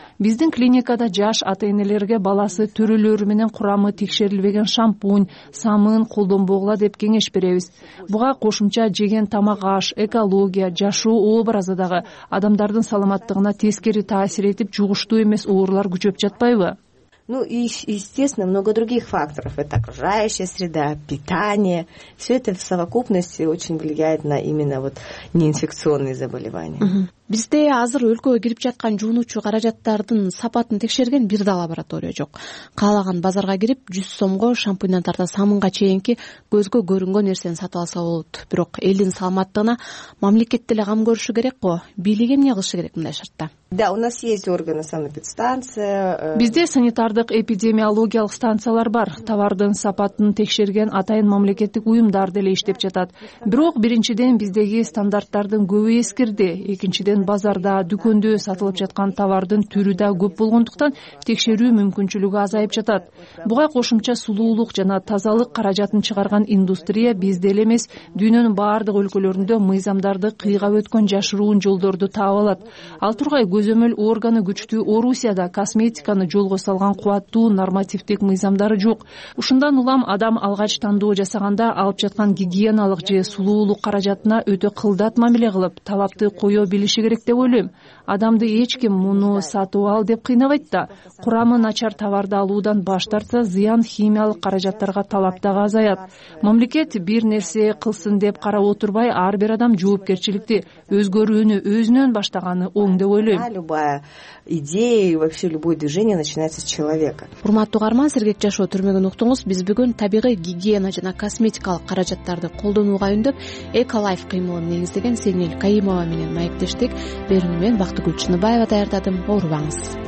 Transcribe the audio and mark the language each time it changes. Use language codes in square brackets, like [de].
[ky] Биздин клиникада жаш ата-энелерге баласы төрөлөрү менен курамы текшерилбеген шампунь, самын колдонбогула деп кеңеш беребиз. Буга кошумча жеген тамак аш, экология, жашоо образы дагы адамдардын саламаттыгына тескери таасир этип, жугуштуу эмес оорулар күчөп жатпайбы? [ru] Ну и, естественно, много других факторов. Это окружающая среда, питание. Все это в совокупности очень влияет на именно вот неинфекционные заболевания. [ky] Бизде азыр өлкөгө кирип жаткан жуунуучу каражаттардын сапатын текшерген бир да лаборатория жок. Каалаган базарга кирип 100 сомго шампуньдан тарта самынга чейинки көзгө көрүнгөн нерсени сатып алса болот. Бирок элдин саламаттыгына мамлекет деле кам көрүшү керек го. Бийлиги эмне кылышы керек мындай шартта? [ru] Да, у нас есть органы санэпидстанция. [ky] Бизде санитардык эпидемиологиялык станциялар бар. Товардын сапатын текшерген атайын мамлекеттик уюмдар деле иштеп жатат. Бирок биринчиден биздеги стандарттардын көбү эскирди. Экинчиден базарда, дүкөндө сатылып жаткан товардын түрү да көп болгондуктан текшерүү мүмкүнчүлүгү азайып жатат. Буга кошумча сулуулук жана тазалык каражатын чыгарган индустрия бизде эле эмес, дүйнөнүн баардык өлкөлөрүндө мыйзамдарды кыйга өткөн жашыруун жолдорду таап алат. Ал тургай көзөмөл органы күчтүү Орусияда косметиканы жолго салган кубаттуу нормативдик мыйзамдары жок. Ушундан улам адам алгач тандоо жасаганда алып жаткан гигиеналык же сулуулук каражатына өтө кылдат мамиле кылып, талапты коё билиши керек деп ойлойм. Адамды эч ким муну сатып ал деп кыйнабайт да. Курамы начар товарды алуудан баш тартса, зыян химиялык каражаттарга талап да азаят. Мамлекет бир нерсе кылсын деп карап отурбай, ар бир адам жоопкерчиликти өзгөрүүнү өзүнөн баштаганы оң деп ойлойм. [ru] Любая идея и вообще любое движение начинается с человека. [ky] Урматтуу карман, Сергек жашоо түрмөгүн уктуңуз. Биз бүгүн табигый гигиена жана косметикалык каражаттарды колдонууга үндөп, Эколайф кыймылын негиздеген Сенил Каимова менен маектештик. Берүүнү мен Бактыгүл Чыныбаева даярдадым. Оорубаңыз.